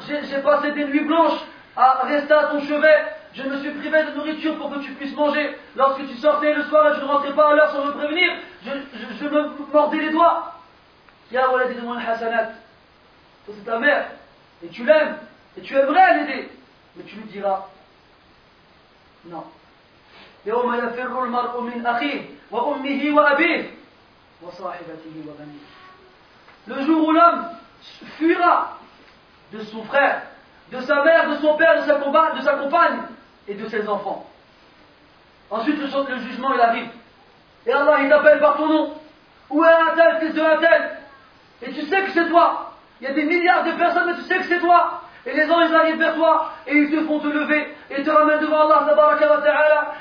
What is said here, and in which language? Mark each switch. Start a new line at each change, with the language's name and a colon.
French: J'ai passé des nuits blanches à rester à ton chevet, je me suis privé de nourriture pour que tu puisses manger. Lorsque tu sortais le soir et je ne rentrais pas à l'heure sans me prévenir, je me mordais les doigts.
Arabic: Ya waladi
French: zman hasanat, toi c'est ta mère, et tu l'aimes, et tu aimerais l'aider, mais tu lui diras, non.
Arabic: يوم يفر المرء من أخيه وأمه وأبيه وصاحبته وبنيه.
French: Le jour où l'homme fuira de son frère, de sa mère, de son père, de sa compagne et de ses enfants. Ensuite, le jugement, il arrive. Et Allah, il t'appelle par ton nom. Où est Adel, fils de Adel? Et tu sais que c'est toi. Il y a des milliards de personnes, mais tu sais que c'est toi. Et les anges arrivent vers toi, et ils te font te lever, et te ramènent devant Allah, tabaraka wa ta'ala.